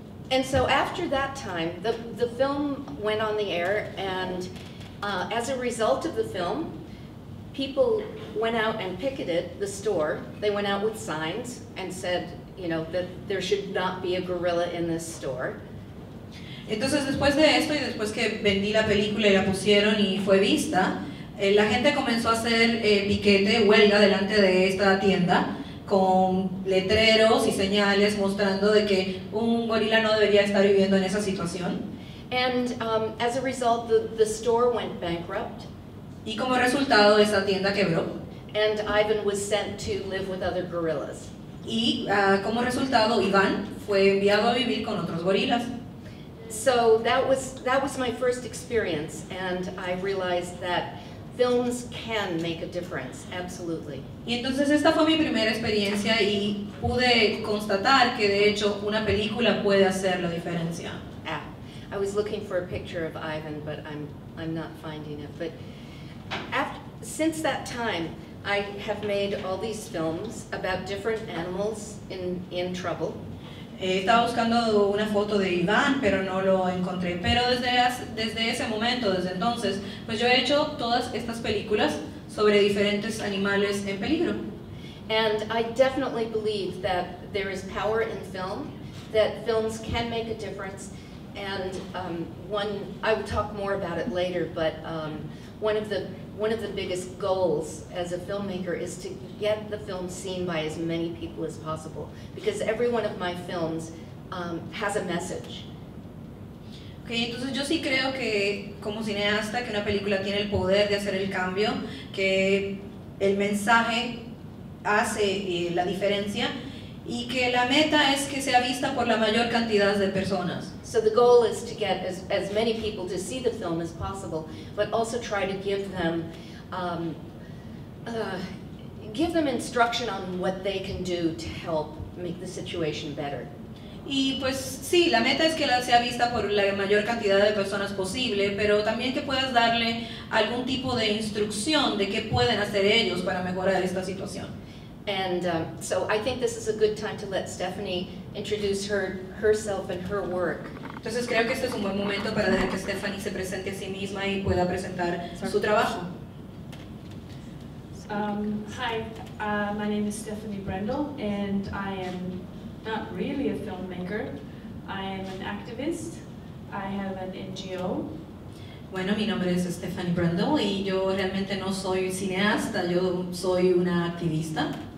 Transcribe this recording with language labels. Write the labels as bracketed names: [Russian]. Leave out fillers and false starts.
[English] And so after that time, the film went on the air, and as a result of the film, people went out and picketed the store. They went out with signs and said, you know, that there should not be a gorilla in this store. [Spanish] Entonces después de esto y después que vendí la película y la pusieron y fue vista, la gente comenzó a hacer piquete, huelga delante de esta tienda, con letreros y señales mostrando de que un gorila no debería estar viviendo en esa situación. [English] And as a result, the store went bankrupt. [Spanish] Y como resultado, esa tienda quebró. [English] And Ivan was sent to live with other gorillas. [Spanish] Y como resultado, Iván fue enviado a vivir con otros gorilas. [English] So that was my first experience, and I realized that Films can make a difference, absolutely. [Spanish] Y entonces esta fue mi primera experiencia y pude constatar que de hecho una película puede hacer la diferencia. [English] Ah, I was looking for a picture of Ivan, but I'm not finding it. But after, since that time, I have made all these films about different animals in trouble. [Spanish] Estaba buscando una foto de Iván, pero no lo encontré. Pero desde ese momento, desde entonces, pues yo he hecho todas estas películas sobre diferentes animales en peligro. [English] And I definitely believe that there is power in film, that films can make a difference. And one, I will talk more about it later, but one of the biggest goals as a filmmaker is to get the film seen by as many people as possible, because every one of my films has a message. [Spanish] Okay, entonces yo sí creo que como cineasta que una película tiene el poder de hacer el cambio, que el mensaje hace la diferencia, y que la meta es que sea vista por la mayor cantidad de personas. [English] So the goal is to get as many people to see the film as possible, but also try to give them instruction on what they can do to help make the situation better. [Spanish] Y pues sí, la meta es que la sea vista por la mayor cantidad de personas posible, pero también que puedas darle algún tipo de instrucción de qué pueden hacer ellos para mejorar esta situación. [English] And so I think this is a good time to let Stephanie introduce herself and her work. [Spanish] Entonces creo que este es un buen momento para dejar que Stephanie se presente a sí misma y pueda presentar su trabajo. [English] Hi, my name is Stephanie Brendel, and I am not really a filmmaker. I am an activist. I have an NGO. [Spanish] Bueno, mi nombre es Stephanie Brendel y yo realmente no soy cineasta, yo soy una activista.